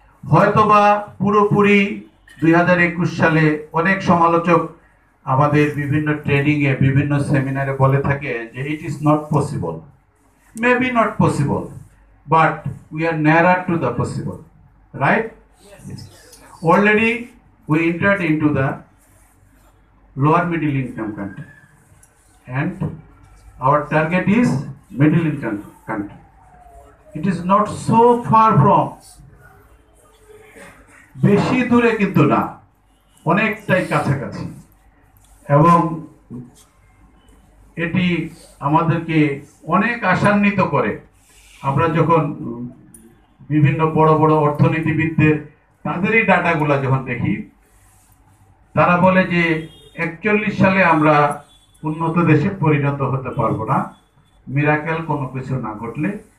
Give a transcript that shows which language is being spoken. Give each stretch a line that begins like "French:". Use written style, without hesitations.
Bangla: হয়তোবা পুরোপুরি 2021 সালে অনেক সমালোচক আমাদের বিভিন্ন ট্রেনিংয়ে, বিভিন্ন সেমিনারে বলে থাকে যে
English: It is not possible, may be not possible, but we are near to the possible, right? Already we entered into the lower middle income country, and our target is middle income country. It is not so far from.
Bangla: বেশি দূরে কিন্তু না, অনেকটাই কাছাকাছি, এবং এটি আমাদেরকে অনেক আশান্বিত করে। আমরা যখন বিভিন্ন বড় বড় অর্থনীতিবিদদের তাদেরই ডাটাগুলো যখন দেখি, তারা বলে যে 41 সালে আমরা উন্নত দেশে পরিণত হতে পারবো না, মিরাকেল কোনো কিছু না ঘটলে।